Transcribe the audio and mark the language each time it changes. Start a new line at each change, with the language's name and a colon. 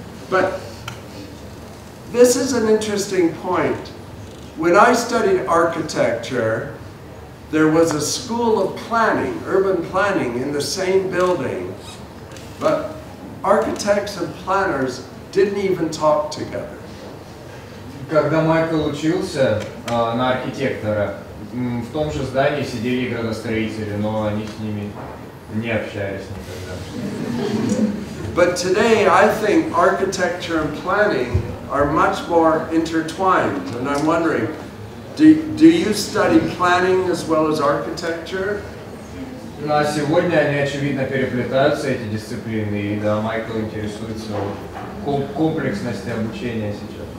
English: But this is an interesting point. When I studied architecture, there was a school of planning, urban planning, in the same building. But architects and planners didn't even talk together.
Russian: Когда Майкл учился на архитектора, в том же здании сидели градостроители, но они с ними не общались никогда.
English: But today I think architecture and planning are much more intertwined. And I'm wondering, do you study planning as well as architecture?
Russian: На сегодня они, очевидно, переплетаются, эти дисциплины, и да, Майкл интересуется комплексности обучения сейчас.